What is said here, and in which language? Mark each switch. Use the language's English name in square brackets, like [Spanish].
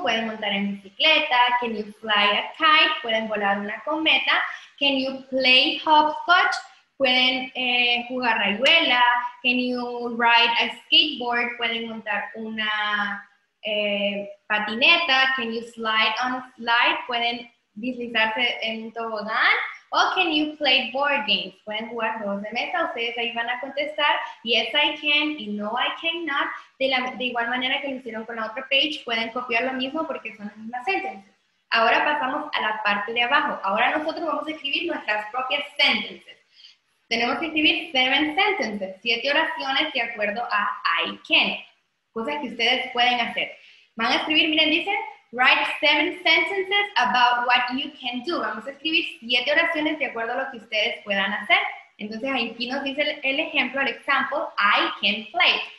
[Spanish] Pueden montar en bicicleta. [English] Can you fly a kite? [Spanish] Pueden volar una cometa. [English] Can you play hopscotch? [Spanish] Pueden jugar rayuela. [English] Can you ride a skateboard? [Spanish] Pueden montar una patineta. [English] Can you slide on a slide? [Spanish] Pueden deslizarse en un tobogán. [English] O can you play board games? [Spanish] Pueden jugar juegos de mesa. Ustedes ahí van a contestar [English] yes I can [Spanish] y [English] no I cannot. [Spanish] De igual manera que lo hicieron con la otra page, pueden copiar lo mismo porque son las mismas sentences. Ahora pasamos a la parte de abajo. Ahora nosotros vamos a escribir nuestras propias sentences. Tenemos que escribir 7 sentences, 7 oraciones de acuerdo a I can. Cosas que ustedes pueden hacer. Van a escribir, miren, dicen, [English] write 7 sentences about what you can do. [Spanish] Vamos a escribir 7 oraciones de acuerdo a lo que ustedes puedan hacer. Entonces aquí nos dice el ejemplo, el example, [English] I can play.